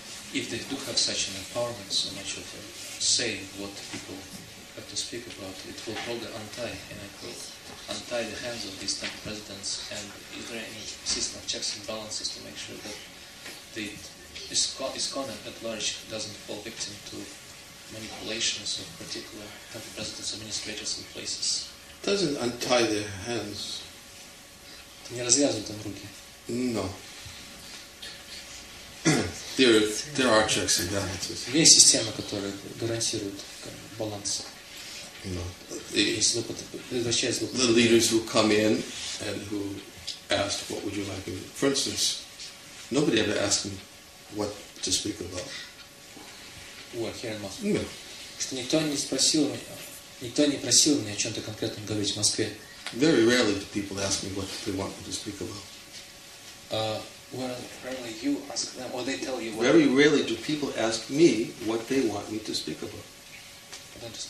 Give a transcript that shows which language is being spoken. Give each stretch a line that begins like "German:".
English: If they do have such an empowerment, so much of a say what people have to speak about, it will probably untie, and I quote, untie the hands of these temple presidents, and is there any system of checks and balances to make sure that the ISKCON at large doesn't fall victim to manipulations of particular temple presidents, administrators, and places? Doesn't untie their hands.
Russian: Не развязывают там руки.
English: No. There are checks and balances.
Russian: Есть система, которая гарантирует баланс.
English: No. The leaders who come in and who asked, what would you like me? For instance, nobody ever asked me what to speak about. What, here in Moscow? No.
Russian: Что никто не просил меня о чем-то конкретном говорить в Москве.
English: Very rarely do people ask me what they want me to speak about. Very rarely do people ask me what they want me to speak about.